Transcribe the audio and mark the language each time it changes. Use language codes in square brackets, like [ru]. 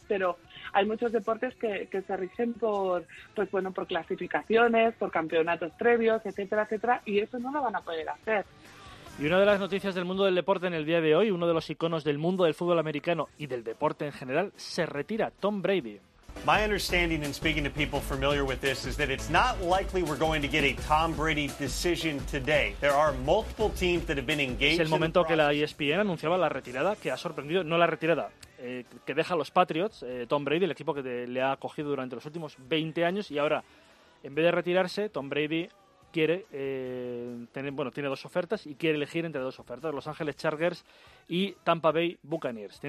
[es] Pero hay muchos deportes que se rigen por clasificaciones, por campeonatos previos, etcétera, etcétera, y eso no lo van a poder hacer. Y una de las noticias del mundo del deporte en el día de hoy, uno de los iconos del mundo del fútbol americano y del deporte en general, se retira, Tom Brady. [en] My understanding in speaking to people familiar with this is that it's not likely we're going to get a Tom Brady decision today. There are multiple teams that have been engaged. [es] Es el momento que la ESPN anunciaba la retirada, que ha sorprendido, no la retirada, que deja a los Patriots, Tom Brady, el equipo que le ha acogido durante los últimos 20 años y ahora, en vez de retirarse, Tom Brady quiere tiene dos ofertas y quiere elegir entre dos ofertas, Los Ángeles Chargers y Tampa Bay Buccaneers.